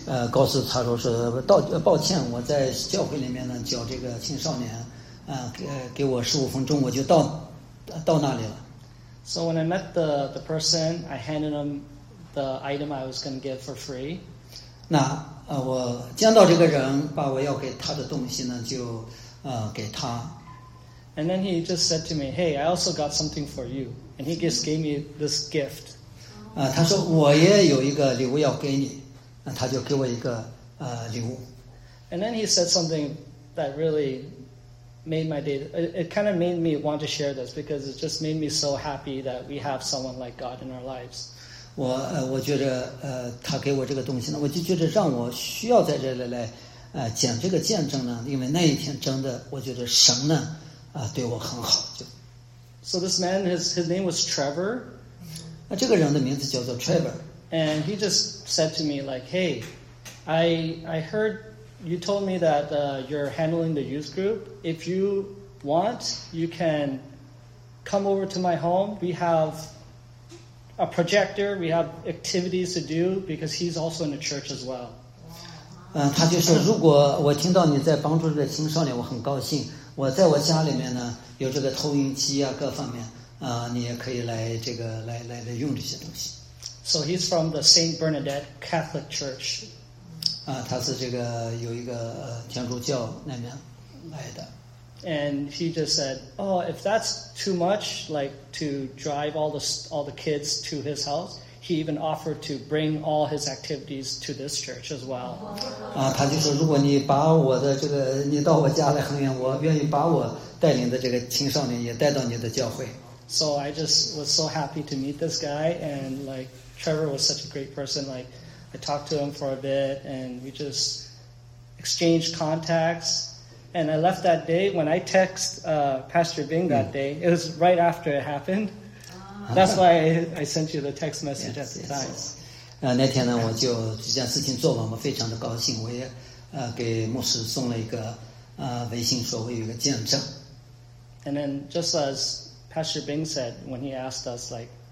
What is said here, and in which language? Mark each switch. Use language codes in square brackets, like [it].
[zh] 告诉他说是道抱歉，我在教会里面呢教这个青少年，给我十五分钟，我就到那里了。 [en] So when I met the person, I handed him the item I was going to give for free. [zh] 那我见到这个人，把我要给他的东西呢就给他。 [en] And then he just said to me, "Hey, I also got something for you." And he just gave me this gift. [zh] 他说我也有一个礼物要给你。他就给我一个礼物。 [en] And then he said something that really made my day. It kind of made me want to share this because it just made me so happy that we have someone like God in our lives. [zh] 我觉得他给我这个东西呢，我就觉得让我需要在这里来讲这个见证呢，因为那一天真的，我觉得神呢对我很好。就 [en] So this man, his name was Trevor. [zh] 这个人的名字叫做 Trevor。 [en] And he just said to me, like, hey, I heard you told me that you're handling the youth group. If you want, you can come over to my home. We have a projector. We have activities to do because he's also in the church as well. [zh] 他就说如果我听到你在帮助这个青少年，我很高兴。我在我家里面呢，有这个投影机啊，各方面，你也可以来这个来用这些东西。 [en] So he's from the St. Bernadette Catholic Church. [zh] 他是这个有一个天主教那边来的。 [en] And he just said, oh, if that's too much, like to drive all the kids to his house, he even offered to bring all his activities to this church as well. [zh] 他就说如果你把我的这个你到我家来很远，我愿意把我带领的这个青少年也带到你的教会。 [en] So I just was so happy to meet this guy and like,Trevor was such a great person. Like, I talked to him for a bit, and we just exchanged contacts. And I left that day when I text Pastor Bing that day. It was right after it happened. That's why I sent you the text message yes, at the time. Yes, yes. [zh] 那天呢，我就这件事情做完，我非常的高兴。我也给牧师送了一个微信，说我有个见证。 [en] And then, just as Pastor Bing said when he asked us, like.